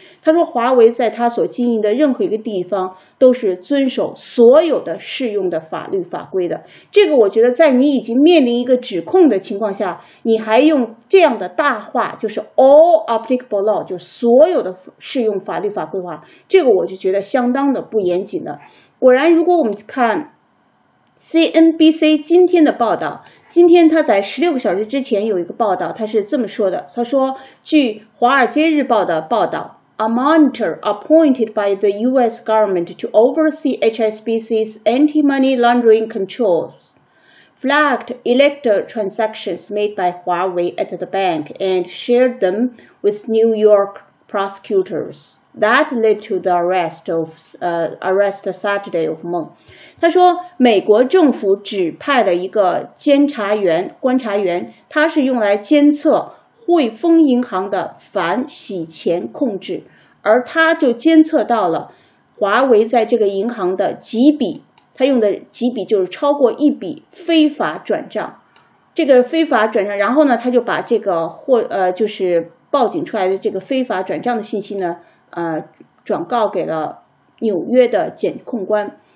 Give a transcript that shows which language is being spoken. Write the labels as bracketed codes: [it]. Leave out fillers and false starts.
[zh] 他说华为在他所经营的任何一个地方都是遵守所有的适用的法律法规的。这个我觉得在你已经面临一个指控的情况下，你还用这样的大话，就是 all applicable law，就所有的适用法律法规的话，这个我就觉得相当的不严谨了。果然如果我们看 CNBC 今天的报道，今天他在16个小时之前有一个报道，他是这么说的，他说据《华尔街日报》的报道， A monitor appointed by the US government to oversee HSBC's anti-money laundering controls flagged electoral transactions made by Huawei at the bank and shared them with New York prosecutors. [en] That led to the arrest Saturday of Meng. [zh] 他说美国政府指派的一个观察员，他是用来监测汇丰银行的反洗钱控制，而他就监测到了华为在这个银行的几笔，他用的几笔就是超过一笔非法转账，这个非法转账，然后呢他就把这个就是报警出来的这个非法转账的信息呢转告给了纽约的检控官。